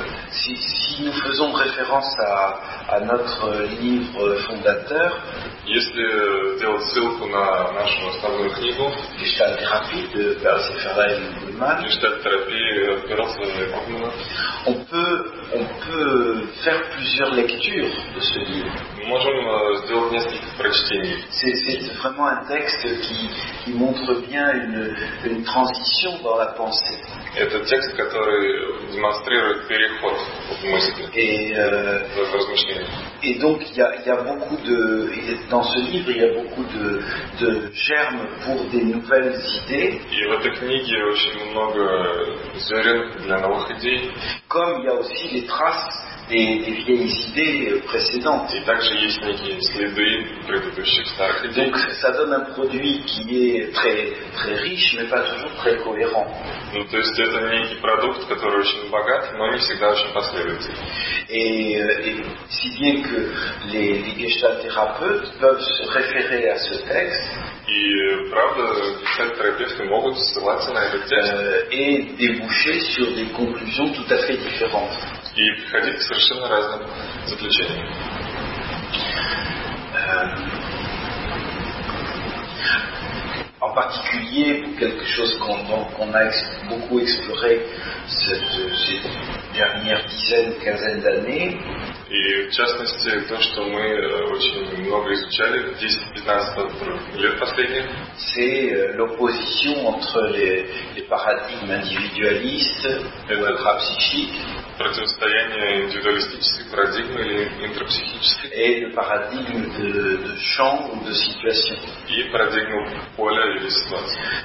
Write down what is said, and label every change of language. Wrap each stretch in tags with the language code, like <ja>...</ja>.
<fr>Si nous faisons référence à notre livre fondateur,</fr> <ru>если делать ссылку на нашу основную книгу, гештальт-терапия de Perls-Ferrell et Goodman, гештальт-терапия Perls-Ferrell et Goodman,</ru> <fr>on peut faire plusieurs lectures de ce livre.</fr> <ru>Мы можем сделать несколько прочтений.</ru> <fr>C'est vraiment un texte qui montre bien une transition dans la pensée.</fr> <ru>Это текст, который демонстрирует переход в мысли. В размышлении.</ru> <fr>Et donc il y a beaucoup de dans ce livre il y a beaucoup de germes pour des nouvelles idées.</fr> <ru>И в этой книге очень много зерен для новых идей.</ru> <fr>Comme il y a aussi les traces des vieilles idées précédentes.</fr> <ru>И также есть некие следы предыдущих старых идей.</ru> <fr>Donc ça donne un produit qui est très très riche mais pas toujours très cohérent.</fr> <ru>Ну то есть это некий продукт, который очень богат, но не всегда очень последовательный.</ru> <fr>Et si bien que les gestalt-thérapeutes peuvent se référer à ce texte.</fr> <ru>И правда, гештальт-терапевты могут ссылаться на этот текст.</ru> <fr>Et déboucher sur des conclusions tout à fait différentes.</fr> <ru>И приходить к совершенно разным заключениям.</ru> <fr>En particulier pour quelque chose qu'on a beaucoup exploré ces dernières quinzaine d'années.</fr> <ru>И в частности то, что мы очень много изучали 10-15 лет последних.</ru> <fr>C'est l'opposition entre les paradigmes individualistes et le parapsychique.</fr> <ru>Противостояние индивидуалистической парадигмы или интрапсихической.</ru> <fr>Et le paradigme de champ ou de situation.</fr> <ru>И парадигму поля или ситуации.</ru>